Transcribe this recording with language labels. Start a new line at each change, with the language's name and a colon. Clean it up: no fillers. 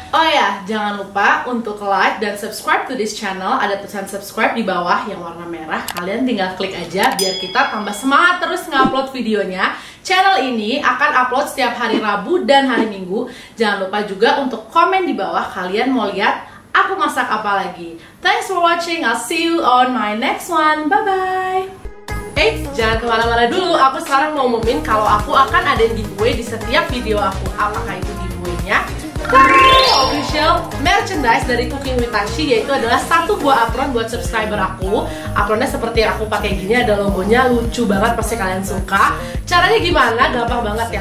Indonesian: Oh ya, jangan lupa untuk like dan
English: subscribe to this channel,
Indonesian: ada tulisan subscribe di bawah yang warna merah. Kalian tinggal klik aja biar kita tambah semangat terus ngupload videonya. Channel ini akan upload setiap hari Rabu dan hari Minggu. Jangan lupa juga untuk komen di bawah kalian mau lihat aku masak apa lagi.
English: Thanks for watching, I'll see you on my next one, bye bye.
Indonesian: Eits, jangan kemana-mana dulu. Aku sekarang mau umumin kalau aku akan ada giveaway di setiap video aku. Apakah itu giveaway-nya? Official merchandise dari Cooking with Tashi, yaitu adalah satu buah apron buat subscriber aku. Apronnya seperti yang aku pakai gini, ada logonya, lucu banget, pasti kalian suka. Caranya gimana? Gampang banget.